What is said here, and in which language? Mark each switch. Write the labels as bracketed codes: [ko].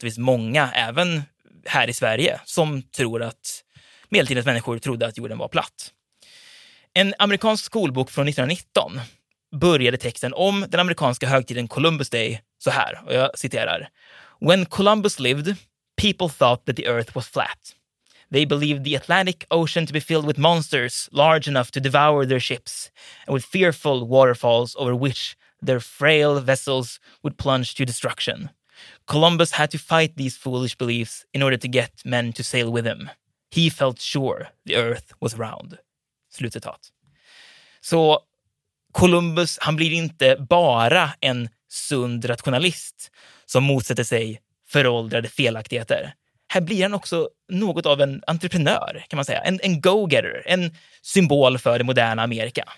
[sv] Det finns många, även här i Sverige, som tror att medeltidens människor trodde att jorden var platt. En amerikansk skolbok från 1919 började texten om den amerikanska högtiden Columbus Day så här, och jag citerar: [en] "When Columbus lived, people thought that the earth was flat. They believed the Atlantic Ocean to be filled with monsters large enough to devour their ships and with fearful waterfalls over which their frail vessels would plunge to destruction. Columbus had to fight these foolish beliefs in order to get men to sail with him. He felt sure the earth was round." [sv] Slutcitat. Så Columbus, han blir inte bara en sund rationalist som motsätter sig föråldrade felaktigheter. Här blir han också något av en entreprenör, kan man säga. En go-getter, en symbol för det moderna Amerika.